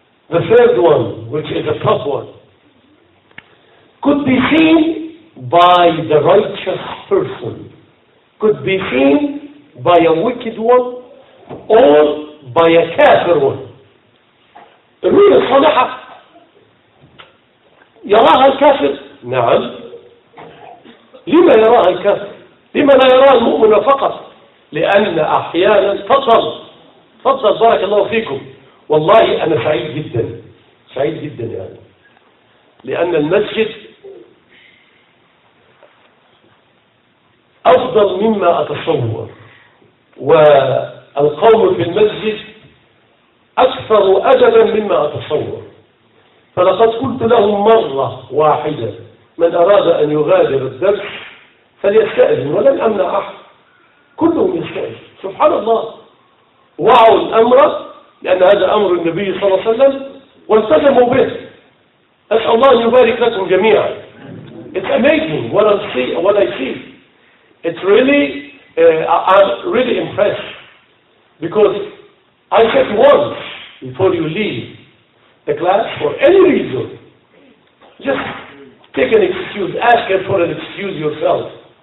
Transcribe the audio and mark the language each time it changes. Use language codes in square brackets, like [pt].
[en] The third one, which is a tough one, could be seen by the righteous person, could be seen by a wicked one, or by a kafir one. [ar] الرؤية الصالحة يراها الكافر. نعم. لما يراها الكافر؟ لما لا يراها المؤمن فقط؟ لأن أحيانا تصل تفضل بارك الله فيكم. والله أنا سعيد جدا سعيد جدا يعني، لأن المسجد أفضل مما أتصور، والقوم في المسجد أكثر أجلا مما أتصور. فلقد قلت لهم مرة واحدة، من أراد أن يغادر الدرس فليستأذن، ولن أمنع أحد، كلهم يستأذن سبحان الله. وعوا الأمر لأن هذا أمر النبي صلى الله عليه وسلم والتزموا به. أسأل الله أن يبارك لكم جميعا. [en] It's amazing what I see, It's really, I'm really impressed because I said once before you leave the class for any reason, just take an excuse, ask it for an excuse yourself.